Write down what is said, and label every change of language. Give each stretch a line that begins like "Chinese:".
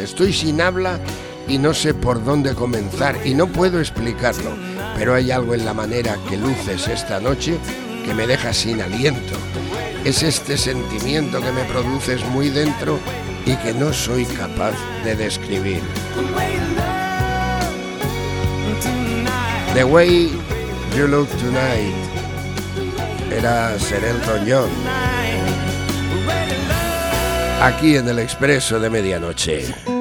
Spanish: Estoy sin habla y no sé por dónde comenzar y no puedo explicarlo, pero hay algo en la manera que luces esta noche que me deja sin aliento. Es este sentimiento que me produces muy dentro y que no soy capaz de describir.
English: The way you look tonight.
Spanish: Era Sir Elton John. Aquí en el Expreso de Medianoche.